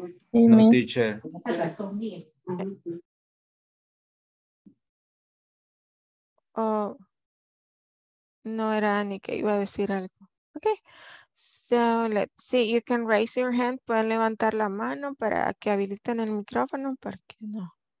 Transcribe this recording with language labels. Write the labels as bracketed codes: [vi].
[en] No, teacher. [es] Oh, no era ni que iba a decir algo. [en] Okay. So let's see, you can raise your hand. [es] Pueden levantar la mano para que habiliten el micrófono, ¿por qué no?